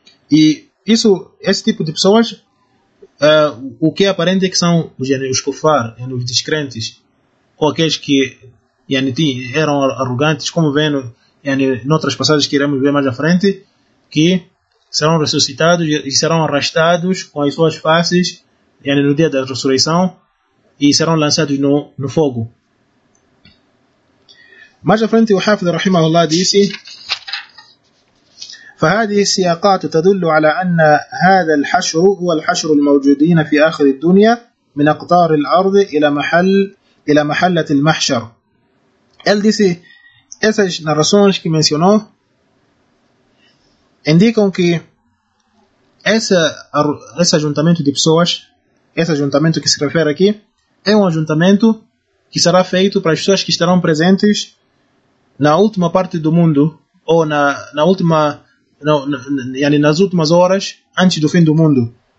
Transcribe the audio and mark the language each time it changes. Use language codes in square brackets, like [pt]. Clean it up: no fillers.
[pt] E isso, esse tipo de pessoas, o que é aparente é que são os kufar, os descrentes, ou aqueles que eram arrogantes, como vendo em outras passagens que iremos ver mais à frente, que serão ressuscitados e serão arrastados com as suas faces no dia da ressurreição e serão lançados no fogo. Mais à frente, o Hafiz rahimahullah disse: [ar] فهذه السياقات تدل على أن هذا الحشر هو الحشر الموجودين في آخر الدنيا من أقطار الأرض إلى محلة المحشر. [pt] Ele disse, essas narrações que mencionou indicam que esse ajuntamento de pessoas, esse ajuntamento que se refere aqui, é um ajuntamento que será feito para as pessoas que estarão presentes na última parte do mundo, ou nas últimas horas antes do fim do mundo,